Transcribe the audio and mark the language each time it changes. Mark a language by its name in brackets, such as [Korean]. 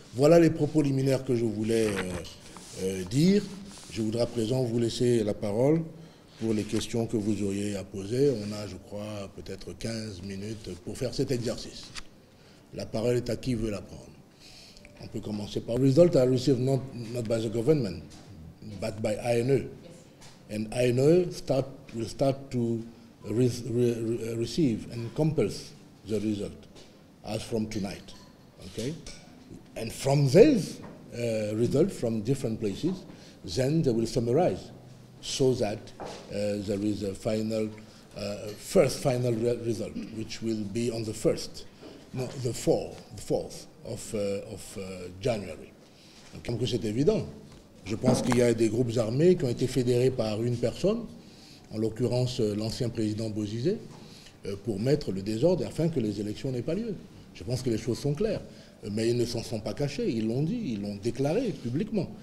[French] Voilà les propos liminaires que je voulais dire. Je voudrais à présent vous laisser la parole pour les questions que vous auriez à poser. On a, je crois, peut-être 15 minutes pour faire cet exercice. La parole est à qui veut la prendre. On peut commencer par... [English] Result are received not by the government, but by INE. And INE will start to receive and compels the result as from tonight. Okay? And from these results from different places, then they will summarize so that there is a final, final result, which will be on the 1st, no, the 4th, the 4th of January. [French] Comme que c'est évident, je pense qu'il y a des groupes armés qui ont été fédérés par une personne, en l'occurrence l'ancien président Bozizé, pour mettre le désordre afin que les élections n'aient pas lieu. Je pense que les choses sont claires. Mais ils ne s'en sont pas cachés, ils l'ont dit, ils l'ont déclaré publiquement.